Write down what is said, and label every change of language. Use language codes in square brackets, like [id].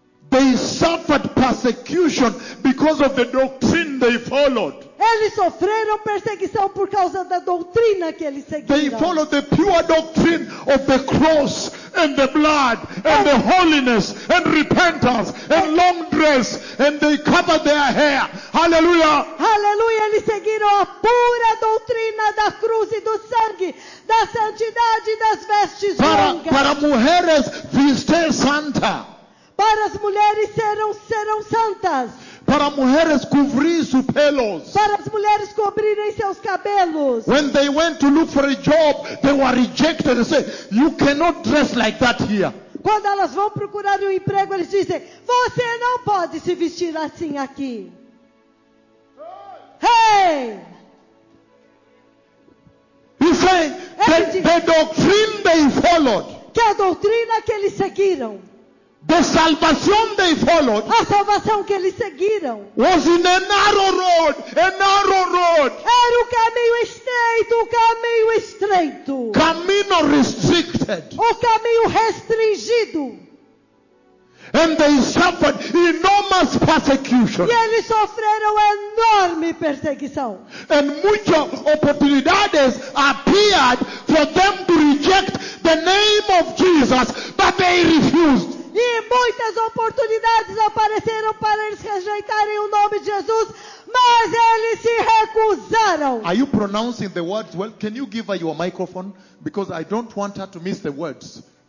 [en] They suffered persecution because of the doctrine they followed. [pt] Eles sofreram perseguição por causa da doutrina que eles seguiram. [en] They followed the pure doctrine of the cross and the blood and the holiness and repentance and long dress and they covered their hair. Hallelujah. Hallelujah. [pt] Eles seguiram a pura doutrina da cruz e do sangue, da santidade e das vestes longas. Para mulheres vestir santa. Para as mulheres serão santas. Para mulheres cobrir seus pelos. Para as mulheres cobrirem seus cabelos. [en] When they went to look for a job, they were rejected. They say, "You cannot dress like that here." [pt] Quando elas vão procurar um emprego, eles dizem, "Você não pode se vestir assim aqui." Hey! [en] You say, the doctrine they followed. [pt] Que a doutrina que eles seguiram. [en] The salvation they followed, [pt] a salvação que eles seguiram, [en] was in a narrow road, [pt] era o caminho estreito, [en] camino restricted, [pt] o caminho restringido, [en] and they suffered enormous persecution, [pt] e eles sofreram enorme perseguição, [en] and [es] muchas oportunidades [en] appeared for them to reject the name of Jesus, but they refused. [pt] E muitas oportunidades apareceram para eles rejeitarem o nome de Jesus, mas eles se recusaram. [en] Are you pronouncing the words well? Can you give her your microphone? Because I don't want her to miss the words.